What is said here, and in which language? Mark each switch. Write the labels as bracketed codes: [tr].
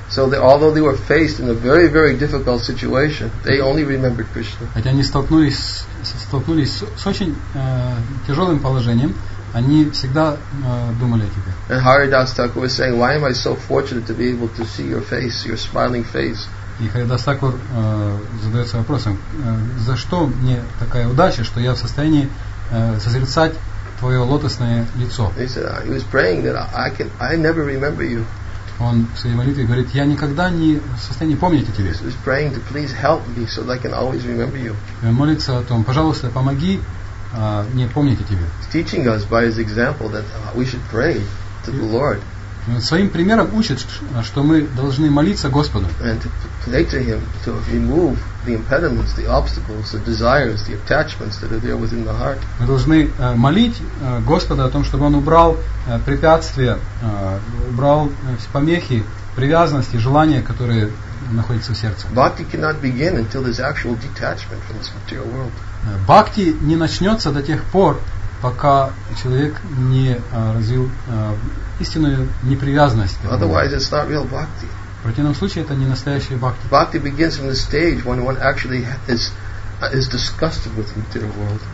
[en] So they, although they were faced in a very, very difficult situation, they only remembered Krishna. [ru] Хотя они столкнулись с очень тяжелым положением, они всегда думали о тебе. [en] And Haridas Thakur was saying, why am I so fortunate to be able to see your face, your smiling face? [ru] И Харидас Такур задается вопросом, за что мне такая удача, что я в состоянии созерцать твое лотосное лицо. [en] He said, he was praying that I never remember you. [ru] Он в своей молитве говорит, я никогда не в состоянии помнить о тебе. [en] He was praying to please help me so that I can always remember you. [ru] И он молится о том, пожалуйста, помоги мне помнить о тебе. [en] He's teaching us by his example that we should pray to the Lord. [ru] Он своим примером учит, что мы должны молиться Господу. [en] And to pray to him to remove the impediments, the obstacles, the desires, the attachments that are there within the heart. [ru] Мы должны молить Господа о том, чтобы он убрал препятствия, убрал помехи, привязанности, желания, которые находятся в сердце. [en] Bhakti cannot begin until there's actual detachment from this material world. [ru] Бхакти не начнется до тех пор, пока человек не развил истинную непривязанность. [en] Otherwise, it's not real bhakti. [ru] В противном случае, это не настоящая бхакти. [en] Bhakti begins from the stage when one actually is disgusted with the material world.